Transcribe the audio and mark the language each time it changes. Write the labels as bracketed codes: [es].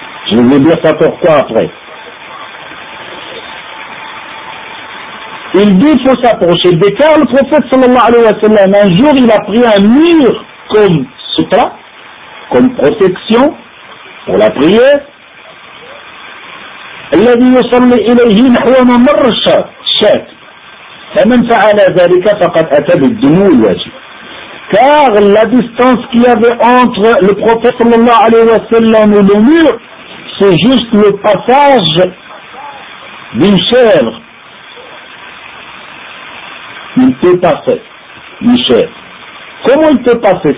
[fr] Je vais vous dire ça pourquoi après. Il dit qu'il faut s'approcher. Car le prophète sallallahu alayhi wa sallam, un jour, il a pris un mur comme sutra, comme protection pour la prière. [ar] الذي يصلي إليه نحو ممر شاة فمن فعل ذلك فقد أتى بالدنو الواجب. [fr] Car la distance qu'il y avait entre le prophète sallallahu alayhi wa sallam et le mur, c'est juste le passage d'une chèvre. Il peut passer, Michel. Comment il peut passer?